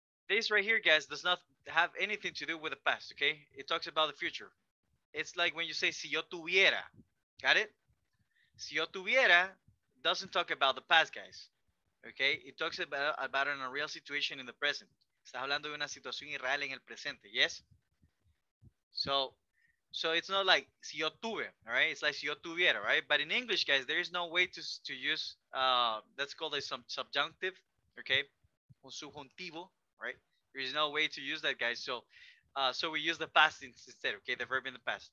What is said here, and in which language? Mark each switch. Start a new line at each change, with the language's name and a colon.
English: This right here, guys, does not have anything to do with the past, okay? It talks about the future. It's like when you say,
Spanish: si yo tuviera.
English: Got it?
Spanish: Si yo tuviera
English: doesn't talk about the past, guys. Okay? It talks about an unreal situation in the present.
Spanish: Está hablando de una situación irreal en el presente.
English: Yes? So it's not like
Spanish: si yo tuve,
English: all right? It's like
Spanish: si yo tuviera,
English: right? But in English, guys, there is no way to use, that's called a subjunctive, okay?
Spanish: Un subjuntivo,
English: right? There is no way to use that, guys. So we use the past instead, okay? The verb in the past.